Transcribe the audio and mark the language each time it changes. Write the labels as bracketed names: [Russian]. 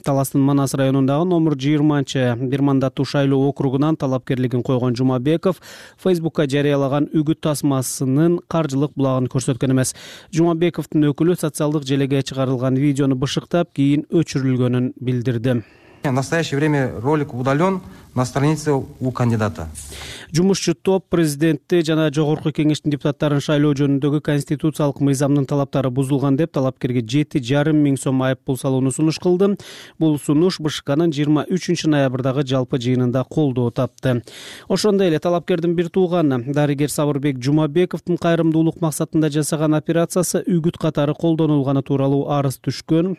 [Kyrgyz] Таластын Манас районундагы номер 20 бир мандаттуу шайлоо округунан талапкерлигин койгон Жумабеков Facebook'ка жарыялаган үгүт тасмасынын каржылык булагын көрсөткөн эмес. Жумабековдун өкүлү социалдык желеге чыгарылган видеону бышыктап, кийин өчүрүлгөнүн билдирди. [Russian] В настоящее время ролик удален на странице у кандидата. [Kyrgyz] Жумушчу топ президентти жана Жогорку кеңештин депутаттарын шайлоо жөнүндөгү конституциялык мыйзамдын талаптары бузулган деп талапкерге 7,5 миң сом айыппул салууну сунуш кылды. Бул сунуш БШКнын 23 ноябрдагы жалпы жыйынында колдоо тапты. Ошондой эле талапкердин бир тууганы дарыгер Сабырбек Жумабековдун кайрымдуулук максатында жасаган операциясы үгүт катары колдонулганы тууралуу арыз түшкөн.